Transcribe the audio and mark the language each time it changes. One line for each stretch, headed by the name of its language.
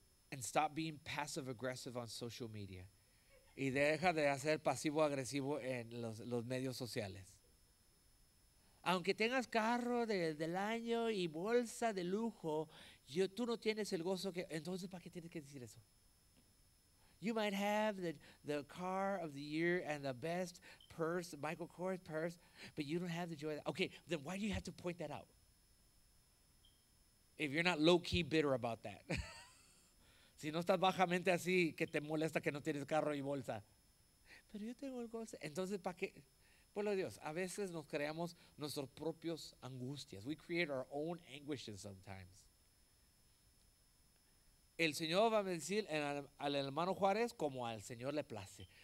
English: And stop being passive aggressive on social media.
Spanish: Y deja de hacer pasivo agresivo en los medios sociales. Aunque tengas carro del año y bolsa de lujo, tú no tienes el gozo que. Entonces, ¿para qué tienes que decir eso?
English: You might have the car of the year and the best purse, Michael Kors purse, but you don't have the joy. Okay, then why do you have to point that out? If you're not low key bitter about that.
Spanish: Si no estás bajamente así, que te molesta que no tienes carro y bolsa. Pero yo tengo el gozo. Entonces, ¿para qué? Pueblo de Dios, a veces nos creamos nuestras propias angustias.
English: We create our own anguishes sometimes.
Spanish: El Señor va a bendecir al hermano Juárez como al Señor le place.